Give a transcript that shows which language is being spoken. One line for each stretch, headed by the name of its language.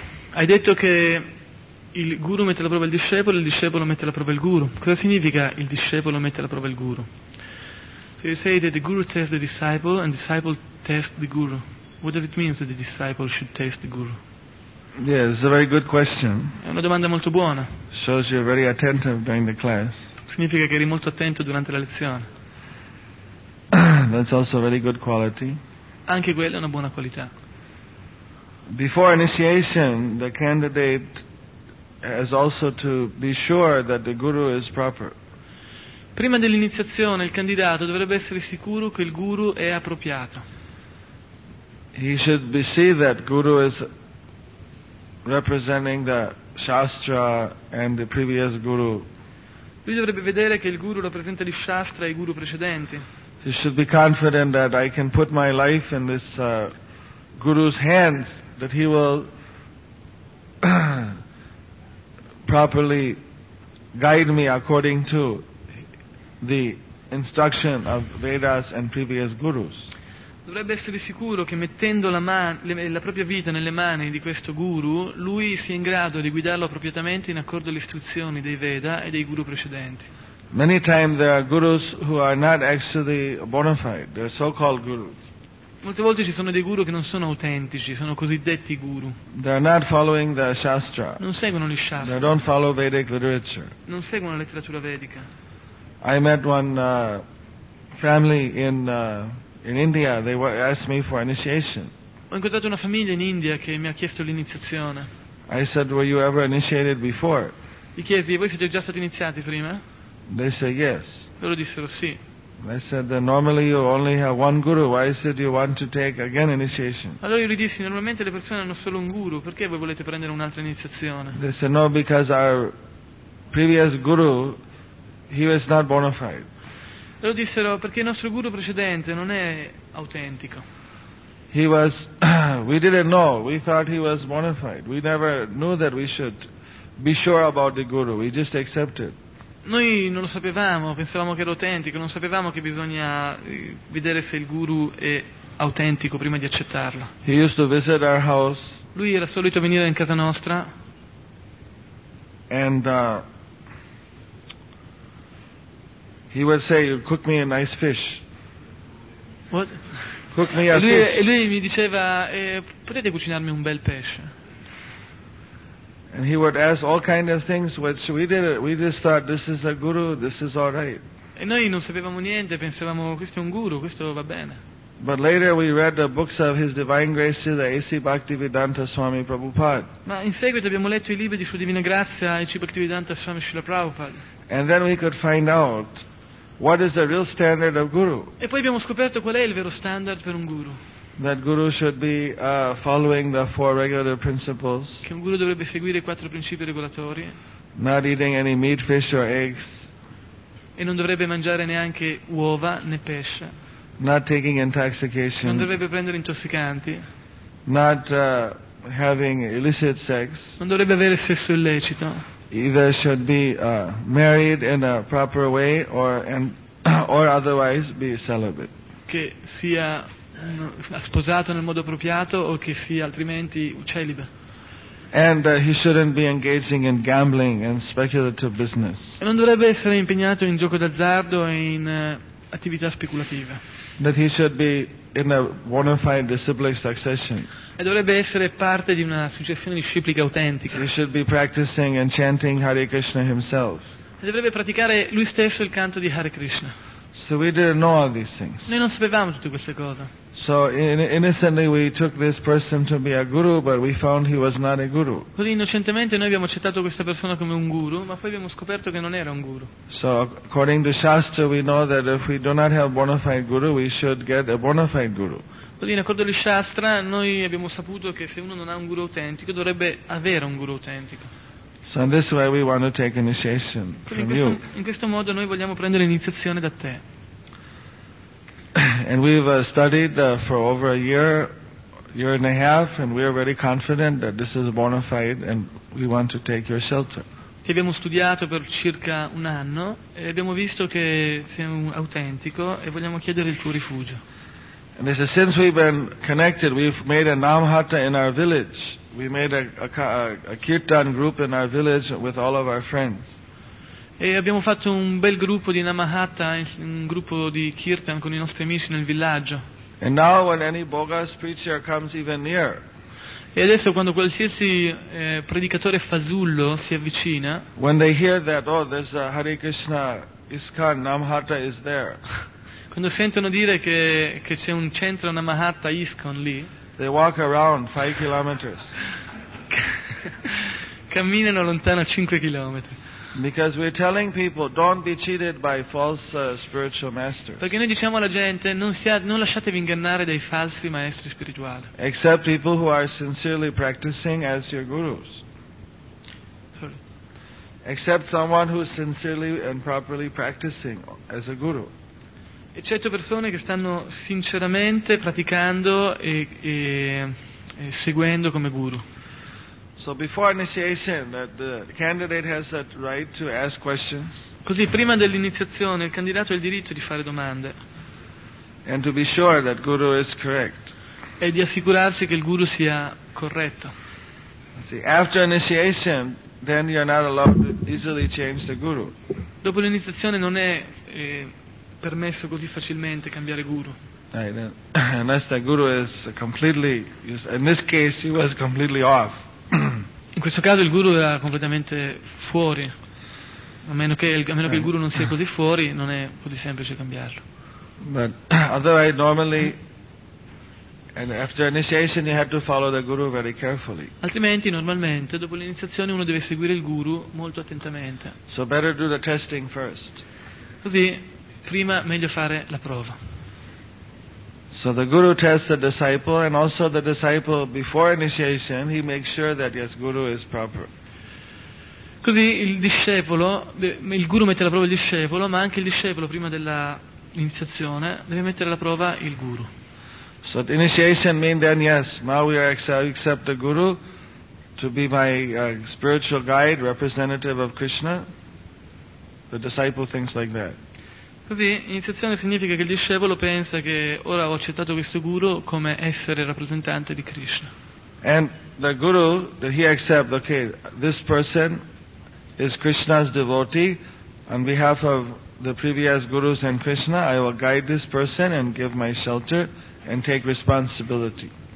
Italian: Hai detto che il guru mette alla prova il discepolo e il discepolo mette alla prova il guru. Cosa significa il discepolo mette alla prova il guru?
English: So you say that the guru tests the disciple and the disciple tests the guru. What does it mean that the disciple should test the guru? Yeah, it's a very good question.
Italian: È una domanda molto buona.
English: Shows you're very attentive during the class.
Italian: Significa che eri molto attento durante la lezione.
English: That's also a very good quality.
Italian: Anche quella è una buona qualità.
English: Before initiation, the candidate has also to be sure that the guru is proper.
Italian: Prima dell'iniziazione, il candidato dovrebbe essere sicuro che il guru è appropriato.
English: He should be see that guru is representing the shastra and the previous guru.
Italian: Lui dovrebbe vedere che il guru rappresenta il shastra e i guru precedenti.
English: He should be confident that I can put my life in this guru's hands, that he will properly guide me according to the instruction of Vedas and previous gurus.
Italian: Dovrebbe essere sicuro che mettendo la propria vita nelle mani di questo guru, lui sia in grado di guidarlo appropriatamente in accordo alle istruzioni dei Veda e dei guru precedenti.
English: Many times there are gurus who are not actually bona fide. They're so-called gurus.
Italian: Molte volte ci sono dei guru che non sono autentici, sono cosiddetti guru.
English: They are not following the shastra.
Italian: Non seguono gli shastra.
English: They don't follow Vedic literature.
Italian: Non seguono la letteratura vedica.
English: I met one family in India. They asked me for initiation.
Italian: Ho incontrato una famiglia in India che mi ha chiesto l'iniziazione.
English: I said, "Were you ever initiated before?"
Italian: Gli chiesi, "Voi siete già stati iniziati prima?"
English: They said yes.
Italian: Loro dissero sì.
English: I said that normally you only have one guru. Why is it you want to take again initiation?
Italian: Allora io gli dissi normalmente le persone hanno solo un guru. Perché voi volete prendere un'altra iniziazione?
English: They said no, because our previous guru, he was not bona fide.
Italian: Loro dissero perché il nostro guru precedente non è autentico.
English: He was. We didn't know. We thought he was bona fide. We never knew that we should be sure about the guru. We just accepted.
Italian: Noi non lo sapevamo, pensavamo che era autentico, non sapevamo che bisogna vedere se il guru è autentico prima di accettarlo.
English: He used to visit our house.
Italian: Lui era solito venire in casa nostra.
English: And he would say, "Cook me a nice fish." What? Cook me a
Italian: lui,
English: fish.
Italian: E lui mi diceva, "Potete cucinarmi un bel pesce?"
English: And he would ask all kinds of things, which we did. We just thought, "This is a guru. This is all right."
Italian: E noi non sapevamo niente. Pensavamo, questo è un guru. Questo va bene.
English: But later we read the books of His Divine Grace, the A.C. Bhaktivedanta Swami Prabhupada.
Italian: Ma in seguito abbiamo letto I libri di Sua Divina Grazia e A.C. Bhaktivedanta Swami Srila Prabhupada.
English: And then we could find out what is the real standard of guru.
Italian: E poi abbiamo scoperto qual è il vero standard per un guru.
English: That guru should be following the four regular principles.
Italian: Che un guru dovrebbe seguire I quattro principi regolatori.
English: Not eating any meat, fish or eggs.
Italian: E non dovrebbe mangiare neanche uova né pesce.
English: Not taking intoxication.
Italian: Non dovrebbe prendere intossicanti.
English: Not having illicit sex.
Italian: Non dovrebbe avere sesso illecito.
English: Either should be married in a proper way or otherwise be celibate.
Italian: Che sia sposato nel modo appropriato o che sia altrimenti celibe.
English: And he shouldn't be engaging in gambling and speculative business.
Italian: E non dovrebbe essere impegnato in gioco d'azzardo e in attività speculative.
English: That he should be in a bona fide disciplic succession.
Italian: E dovrebbe essere parte di una successione disciplica autentica.
English: He should be practicing and chanting Hare Krishna himself.
Italian: E dovrebbe praticare lui stesso il canto di Hare Krishna.
English: So we didn't know all these things.
Italian: Noi non sapevamo tutte queste cose.
English: So innocently we took this person to be a guru, but we found he was not a guru.
Italian: Così innocentemente noi abbiamo accettato questa persona come un guru, ma poi abbiamo scoperto che non era un guru.
English: So according to shastra we know that if we do not have bona fide guru, we should get a bona fide guru.
Italian: Così in accordo agli shastra noi abbiamo saputo che se uno non ha un guru autentico dovrebbe avere un guru autentico.
English: So in this way we want to take initiation from you.
Italian: In questo modo noi vogliamo prendere iniziazione da te.
English: And we've studied for over a year, year and a half, and we are very confident that this is a bona fide, and we want to take your shelter.
Italian: Che abbiamo studiato per circa un anno e abbiamo visto che sei un autentico e vogliamo chiedere il tuo rifugio.
English: And they said, since we've been connected, we've made a namhata in our village. We made a kirtan group in our village with all of our friends.
Italian: E abbiamo fatto un bel gruppo di namhata, un gruppo di kirtan con i nostri amici nel villaggio.
English: And now when any bogus preacher comes even near,
Italian: e adesso quando qualsiasi predicatore fasullo si avvicina,
English: when they hear that, oh, there's a Hare Krishna ISKCON namhata is there,
Italian: quando sentono dire che c'è un centro Namahatta ISKCON lì,
English: they walk around 5 kilometers.
Italian: Camminano lontano 5 chilometri.
English: Because we're telling people, don't be cheated by false spiritual masters.
Italian: Perché noi diciamo alla gente, non lasciatevi ingannare dai falsi maestri spirituali.
English: Except people who are sincerely practicing as your gurus. Sorry. Except someone who is sincerely and properly practicing as a guru.
Italian: Eccetto persone che stanno sinceramente praticando e seguendo come guru.
English: So before initiation, the candidate has that right to ask questions.
Italian: Così prima dell'iniziazione il candidato ha il diritto di fare domande.
English: And to be sure that guru is correct.
Italian: E di assicurarsi che il guru sia corretto.
English: See, after initiation, then you are not allowed to easily change the guru.
Italian: Dopo l'iniziazione non è permesso così facilmente cambiare guru.
English: Unless the guru is completely, in this case, he was completely off.
Italian: In questo caso il guru era completamente fuori. A meno che il guru non sia così fuori, non è così semplice cambiarlo.
English: But otherwise, normally, and after initiation, you have to follow the guru very carefully.
Italian: Altrimenti, normalmente, dopo l'iniziazione, uno deve seguire il guru molto attentamente.
English: So better do the testing first.
Italian: Così prima meglio fare la prova.
English: So the guru tests the disciple, and also the disciple before initiation, he makes sure that his guru is proper.
Italian: Così il guru mette alla prova il discepolo, ma anche il discepolo prima dell'iniziazione deve mettere alla prova il guru.
English: So the initiation means then yes, now we accept the guru to be my spiritual guide, representative of Krishna. The disciple thinks like that.
Italian: Così, iniziazione significa che il discepolo pensa che ora ho accettato questo guru come essere rappresentante di Krishna.
English: And the guru that he accepts, okay, this person is Krishna's devotee. On behalf of the previous gurus and Krishna, I will guide this person and give my shelter and take responsibility.